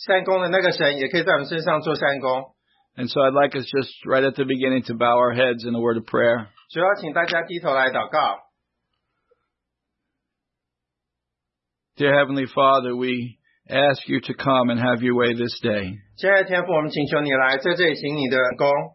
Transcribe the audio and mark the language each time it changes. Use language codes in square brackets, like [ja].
[zh] 愿那个坐在他们身上的善工的那个神也可以在我们身上做善工。 [en] And so I'd like us just right at the beginning to bow our heads in a word of prayer. [zh] 主要请大家低头来祷告。 [en] Dear Heavenly Father, we ask you to come and have your way this day. [zh] 亲爱的天父，我们请求你来在这里行你的工。